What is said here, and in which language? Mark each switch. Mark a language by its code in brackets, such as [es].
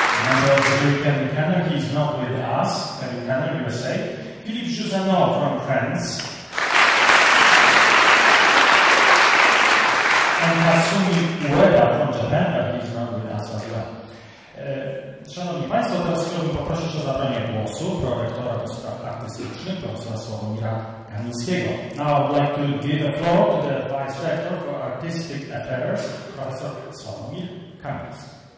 [en] Member of the jury, Kenner, he is not with us, Kenner, USA. Philippe Jusenot from France. And Hatsumi Ueda from Japan, but he is not with us as well. [pl] Szanowni Państwo, teraz chciałbym poprosić o zabranie głosu prorektora do spraw artystycznych, profesora Sławomira Kamińskiego. [en] Now I would like to give the floor to the Vice Rector for Artistic Affairs, Professor Sławomir Kamiński.